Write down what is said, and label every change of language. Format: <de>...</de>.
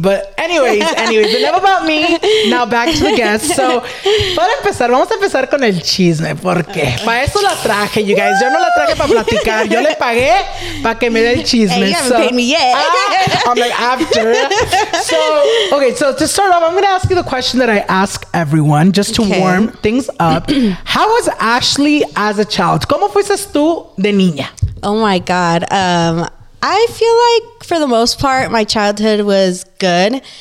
<en>But anyways, enough about me. Now back to the guests.</en> <es>So, para empezar, vamos a empezar con el chisme. Porque para eso la traje,</es> <en>you guys.</en> <es>Yo no la traje para platicar. Yo le pagué para que me dé el chisme.</es> <en>Hey, you haven't paid me yet. I'm like, after. So, okay. So, to start off, I'm going to ask you the question that I ask everyone just to warm things up. How was Ashley as a child?</en> <es>¿Cómo fuiste tú de niña?</es> <en>Oh my God. I feel like for the most part, my childhood was good.</en>